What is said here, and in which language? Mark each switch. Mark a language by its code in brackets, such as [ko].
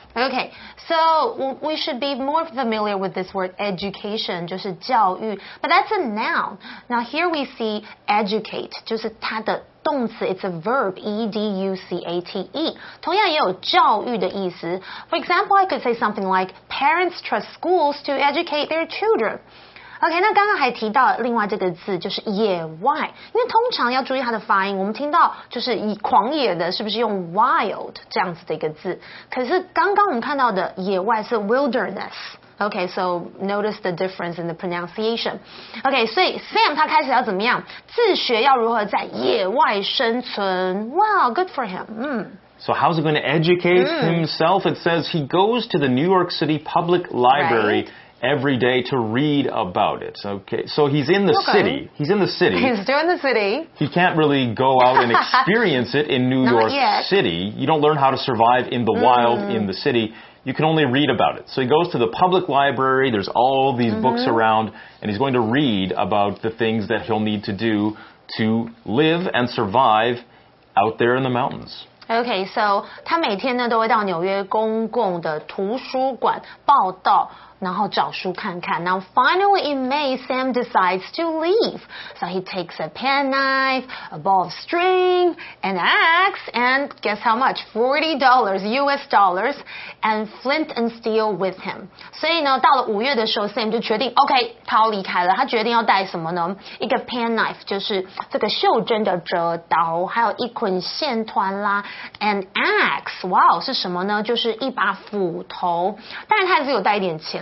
[en] Okay, so we should be more familiar with this word education, [zh] 就是教育, [en] but that's a noun. Now here we see educate, [zh] 就是它的动词, [en] it's a verb, E-D-U-C-A-T-E. [zh] 同样也有教育的意思。 [en] For example, I could say something like, parents trust schools to educate their children. [zh] OK, 那刚刚还提到另外这个字就是野外。因为通常要注意它的发音，我们听到就是以狂野的是不是用 wild 这样子的一个字。可是刚刚我们看到的野外是 [en] wilderness。OK, so notice the difference in the pronunciation. [zh] OK, 所以 Sam 他开始要怎么样？自学要如何在野外生存。 [en] Wow, good for him. So how's he going to educate himself? It says he goes to the New York City Public Library every day to read about it. Okay, so he's in the city. He's in the city. He's doing the city. He can't really go out and experience it in New York City. You don't learn how to survive in the wild in the city. You can only read about it. So he goes to the public library, there's all these books around, and he's going to read about the things that he'll need to do to live and survive out there in the mountains. [zh] Okay, so 他每天呢都会到纽约公共的图书馆报到然后找书看看。 [en] Now finally in May, Sam decides to leave. So he takes a penknife, a ball of string, an axe, and guess how much? $40 US dollars, and flint and steel with him. [zh] 所以呢，到了五月的时候 ，Sam 就决定 ，OK， 他要离开了。他决定要带什么呢？一个 penknife， 就是这个袖珍的折刀，还有一捆线团啦 ， [en] an axe， [zh] 哇哦，是什么呢？就是一把斧头。当然，他还是有带一点钱。